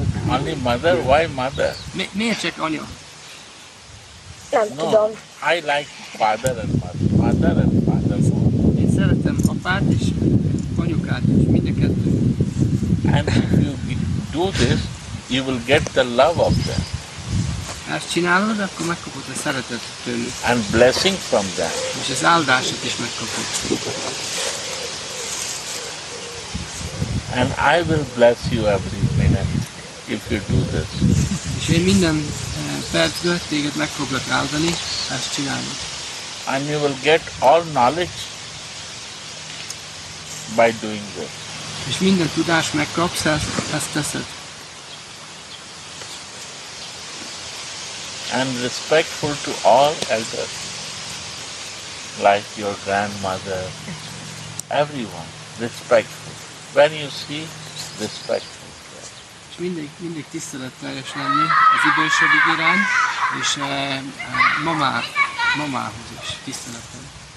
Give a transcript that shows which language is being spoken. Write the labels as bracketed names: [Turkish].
[English] Only mother? Why mother? [Hungarian] Miért csak anya? Nem tudom. [English] I like father and mother. [Hungarian] Én szeretem apát is, anyukát is, mind a kettő. [English] And if you do this, you will get the love of them. [Hungarian] Ezt csinálod, akkor megkapod a szeretetet tőlük. [English] And blessing from them. [Hungarian] És az áldásot is megkapod. [English] And I will bless you every minute if you do this. [Hungarian] És én minden percből téged meg foglak áldani, ezt csinálod. [English] And you will get all knowledge by doing this. [Hungarian] És minden tudás megkapsz, ezt teszed. [English] And respectful to all elders, like your grandmother, everyone, respectful. When you see, respectful. [Hungarian] És mindig tiszteletteljes lenni az idősebbik irány, és mamához is tiszteletben.